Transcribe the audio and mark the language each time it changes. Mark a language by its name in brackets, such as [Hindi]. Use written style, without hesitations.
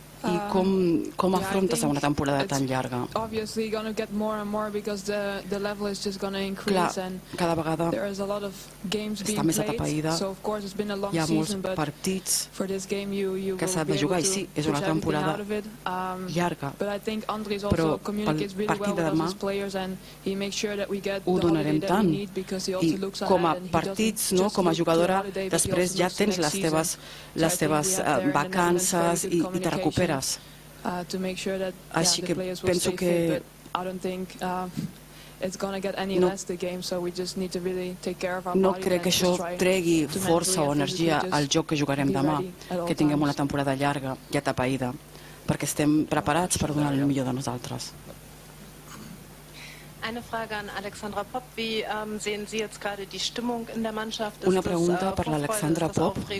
[Catalan] I com afrontes a una temporada tan llarga? Clar, cada vegada està més atapeïda, hi ha molts partits que s'ha de jugar, i sí, és una temporada llarga, però pel partit de demà ho donarem tant. I com a partits, no, com a jugadora, després ja tens les teves vacances i te recuperes. [English] To make sure that, yeah, the players will stay fit, but I don't think it's going to get any less the game, so we just need to really take care of our body. [Catalan] No crec que això tregui força o energia al joc que jugarem demà, que tinguem una temporada llarga i atapeïda, perquè estem preparats per donar el millor de nosaltres. Una pregunta per l'Alexandra Pop.